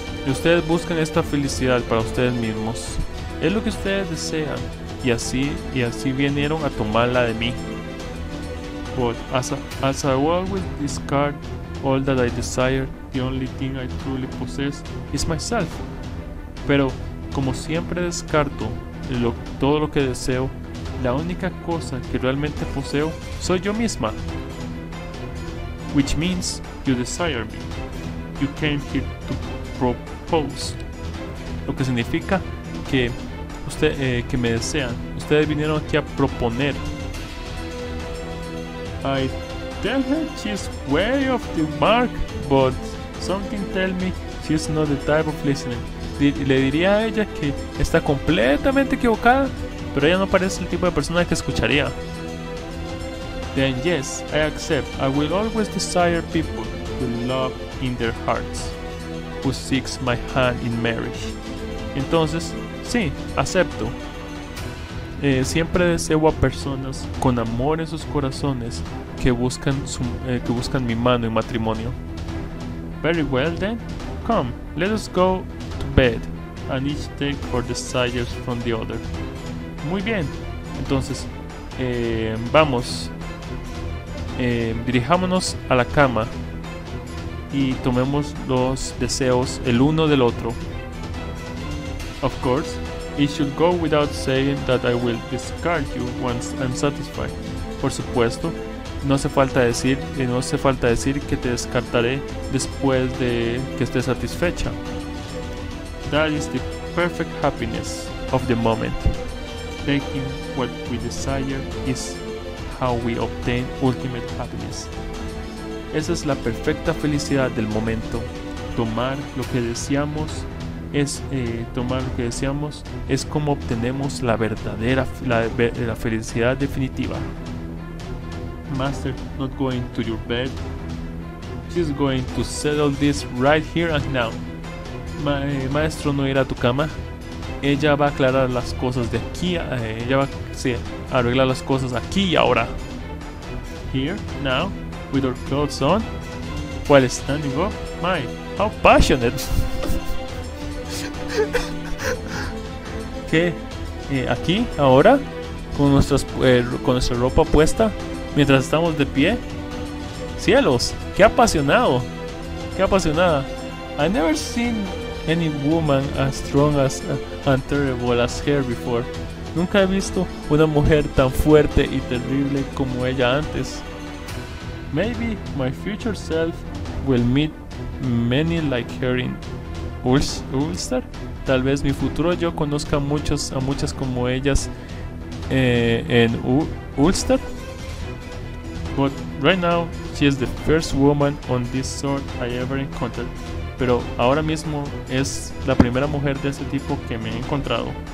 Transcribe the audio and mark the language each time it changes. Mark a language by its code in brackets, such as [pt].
[es] Ustedes buscan esta felicidad para ustedes mismos. Es lo que ustedes desean. Y así vinieron a tomarla de mí. [en] But as I always discard all that I desire, the only thing I truly possess is myself. [es] Pero como siempre descarto todo lo que deseo, la única cosa que realmente poseo soy yo misma. [en] Which means you desire me. You came here to propose. [es] Lo que significa que que me desean. Ustedes vinieron aquí a proponer. [en] I tell her she's way off the mark, but something tell me she's not the type of listening. [es] Le diría a ella que está completamente equivocada, pero ella no parece el tipo de persona que escucharía. [en] Then yes, I accept. I will always desire people to love in their hearts who seeks my hand in marriage. [es] Entonces, sí, acepto. Siempre deseo a personas con amor en sus corazones que buscan mi mano en matrimonio. [en] Very well then. Come, let us go to bed. and each take her desires from the other. [es] Muy bien, entonces vamos, dirijámonos a la cama y tomemos los deseos el uno del otro. [en] Of course, it should go without saying that I will discard you once I'm satisfied. [es] Por supuesto, no hace falta decir que te descartaré después de que estés satisfecha. [en] That is the perfect happiness of the moment. Taking what we desire is how we obtain ultimate happiness. [es] Esa es la perfecta felicidad del momento. Tomar lo que deseamos es como obtenemos la verdadera la felicidad definitiva. [en] Master, not going to your bed. She's going to settle this right here and now. [es] Maestro, no irá a tu cama. Ella va a aclarar las cosas de aquí. Ella va a arreglar las cosas aquí y ahora. [en] Here, now, with her clothes on, while standing up. My, how passionate. [es] ¿Qué? ¿Aquí? ¿Ahora? ¿Con nuestra ropa puesta? ¿Mientras estamos de pie? ¡Cielos! ¡Qué apasionado! ¡Qué apasionada! [en] I've never seen any woman as strong as and terrible as her before. [es] Nunca he visto una mujer tan fuerte y terrible como ella antes. [en] Maybe my future self will meet many like her in Ulster. [es] Tal vez mi futuro yo conozca a muchas como ellas en Ulster. [en] But right now she is the first woman on this sort I ever encountered. [es] Pero ahora mismo es la primera mujer de ese tipo que me he encontrado.